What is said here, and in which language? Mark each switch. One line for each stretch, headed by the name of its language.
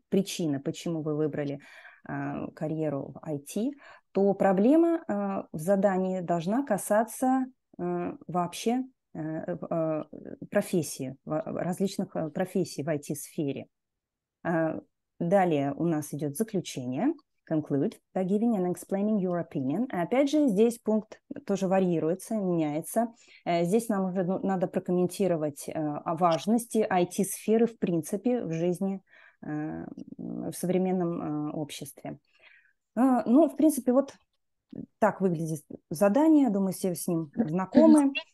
Russian: – причина, почему вы выбрали карьеру в IT, то проблема в задании должна касаться вообще профессии, различных профессий в IT-сфере. Далее у нас идет заключение.
English: Conclude by giving and explaining your opinion.
Russian: Опять же, здесь пункт тоже варьируется, меняется. Здесь нам уже надо прокомментировать о важности IT-сферы в принципе в жизни, в современном обществе. Ну, в принципе, вот Так выглядит задание. Думаю, все с ним знакомы.